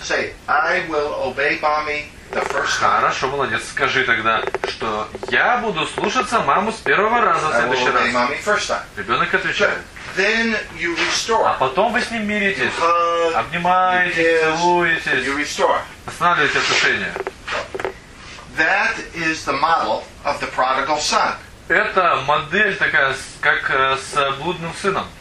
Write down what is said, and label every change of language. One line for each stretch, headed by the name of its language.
English: Say, I will obey mommy the first time.
Russian: Хорошо, молодец. Скажи тогда, что я буду слушаться маму с первого раза в следующий раз.
English: I will obey mommy first time.
Russian: Ребенок отвечает.
English: But then you restore.
Russian: А потом вы с ним миритесь.
English: You hug,
Russian: обнимаетесь,
English: you kiss,
Russian: целуетесь.
English: You restore.
Russian: Останавливаете отношения.
English: That is the model of the prodigal son.
Russian: Это модель такая, как с блудным сыном.